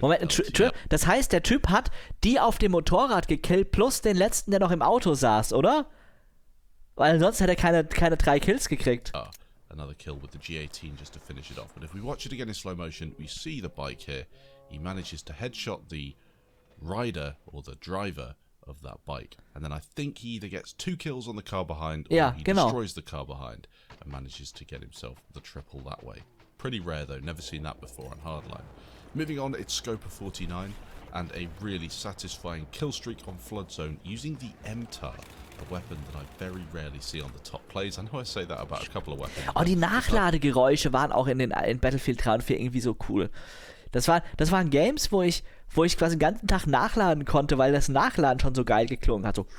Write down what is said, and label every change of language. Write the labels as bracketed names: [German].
[German] Moment, das heißt, der Typ hat die auf dem Motorrad gekillt plus den letzten, der noch im Auto saß, oder? Weil sonst hätte er keine drei Kills gekriegt. [English] Another kill with the G18 just to finish it off. But if we watch it again in slow motion, we see the bike here. He manages to headshot the rider or the driver of that bike, and then I think he either gets two kills on the car behind, or yeah, he [German] genau. [English] Destroys the car behind and manages to get himself the triple that way. Pretty rare though, never seen that before on Hardline. Moving on, it's Scoper 49 and a really satisfying kill streak on Flood Zone using the MTAR, a weapon that I very rarely see on the top plays. I know I say that about a couple of weapons. [German] Oh, die Nachladegeräusche waren auch in Battlefield 3 und 4 irgendwie so cool. Das waren Games, wo ich quasi den ganzen Tag nachladen konnte, weil das Nachladen schon so geil geklungen hat.